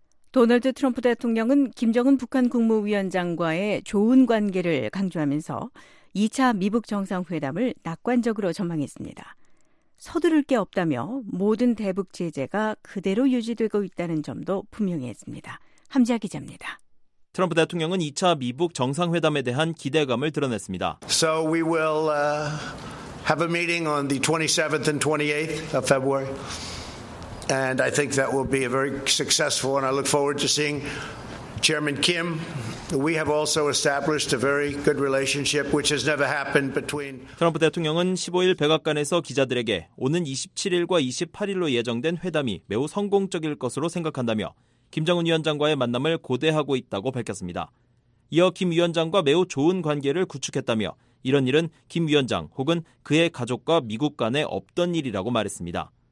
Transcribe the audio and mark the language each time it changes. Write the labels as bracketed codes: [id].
[ko] 도널드 트럼프 대통령은 김정은 북한 국무위원장과의 좋은 관계를 강조하면서 2차 미북 정상회담을 낙관적으로 전망했습니다. 서두를 게 없다며 모든 대북 제재가 그대로 유지되고 있다는 점도 분명했습니다. 함지아 기자입니다. 트럼프 대통령은 2차 미북 정상회담에 대한 기대감을 드러냈습니다. [en] So we will have a meeting on the 27th and 28th of February. And I think that will be a very successful and I look forward to seeing Chairman Kim. We have also established a very good relationship which has never happened between [ko] 트럼프 대통령은 15일 백악관에서 기자들에게 오는 27일과 28일로 예정된 회담이 매우 성공적일 것으로 생각한다며 김정은 위원장과의 만남을 고대하고 있다고 밝혔습니다. 이어 김 위원장과 매우 좋은 관계를 구축했다며 이런 일은 김 위원장 혹은 그의 가족과 미국 간에 없던 일이라고 말했습니다.